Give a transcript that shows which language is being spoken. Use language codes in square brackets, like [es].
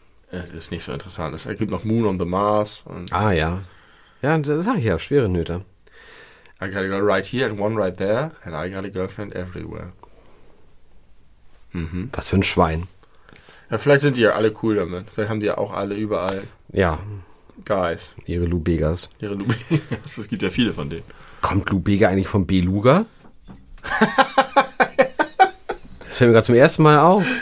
[de] Das ist nicht so interessant. Es gibt noch Moon on the Mars. Und ah, ja. Ja, das sag ich ja, schwere Nöte. [en] I got a girl right here and one right there. And I got a girlfriend everywhere. [de] Mhm. Was für ein Schwein. Ja, vielleicht sind die ja alle cool damit. Vielleicht haben die ja auch alle überall. Ja. [en] Guys. [de] Ihre Lubegas. Ihre Lubegas. Es gibt ja viele von denen. Kommt Lubega eigentlich von Beluga? Das fällt mir gerade zum ersten Mal auf.